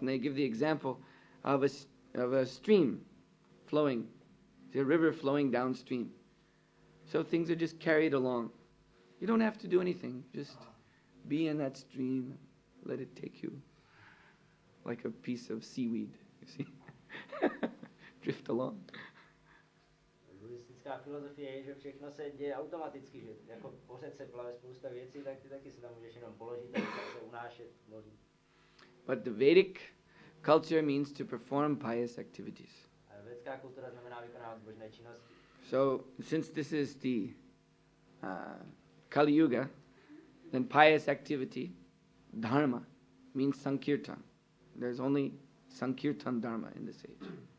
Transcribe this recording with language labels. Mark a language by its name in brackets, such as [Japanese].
[English] And they give the example of a stream flowing. See, a river flowing downstream. So things are just carried along. You don't have to do anything. Just be in that stream. Let it take you like a piece of seaweed, you see. Drift along. [Czech] Buddhistická filozofie je, že všechno se děje automaticky, že jako po řece plave spousta věcí, tak ty taky se tam můžeš jenom položit a se unášet moří. [English] But the Vedic culture means to perform pious activities. [Czech] A vedická kultura znamená vykonávat božné činnosti. [English] So, since this is the Kali Yuga, then pious activity, dharma, means sankirtan. There's only sankirtan dharma in this age.